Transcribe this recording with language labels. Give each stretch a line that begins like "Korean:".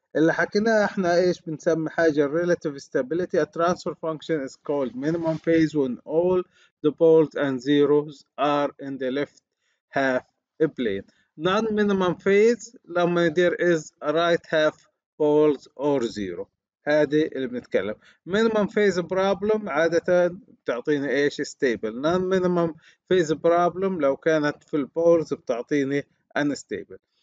Arabic: اللي حكيناه احنا ايش بنسمي حاجه
English: الريلاتيف stability. A transfer function is called minimum phase when all the poles and zeros are in the left half plane. Non-minimum phase
Arabic: لما
English: there is a right half poles or zero.
Arabic: هذه اللي بنتكلم.
English: Minimum phase problem
Arabic: عادة بتعطيني ايش؟
English: stable. Non-minimum phase problem
Arabic: لو كانت في البولز بتعطيني
English: unstable.